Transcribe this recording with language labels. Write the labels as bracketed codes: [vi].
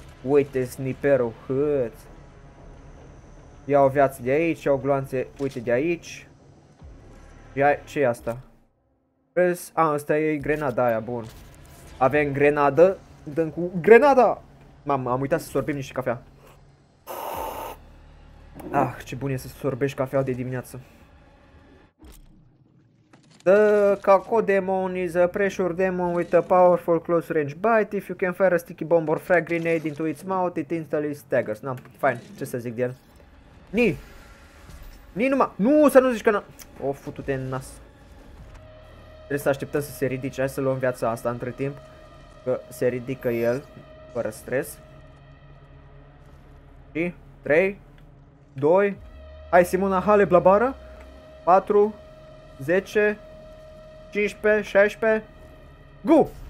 [ro] Uite sniperul, hăț. Iau viață de aici, iau gloanțe, uite de aici. Ia, ce e asta? Press, a, ăsta e grenada aia, bun. Avem grenadă, dăm cu grenada. Mamă, am uitat să sorbim niște cafea. Ah, ce bun e să sorbești cafea de dimineață. [en] The Kako Demon is a pressure demon with a powerful close range bite. If you can fire a sticky bomb or frag grenade into its mouth, it instantly staggers. [ro] No, fine, ce să zic de el? Ni! Ni numai! Nu, să nu zici că n-a... O, futu-te în nas. Trebuie să așteptăm să se ridice. Hai să luăm viața asta între timp. Că se ridică el, fără stres. Și 3, 2, hai Simona, hale blabară, 4, 10, 15, 16, go!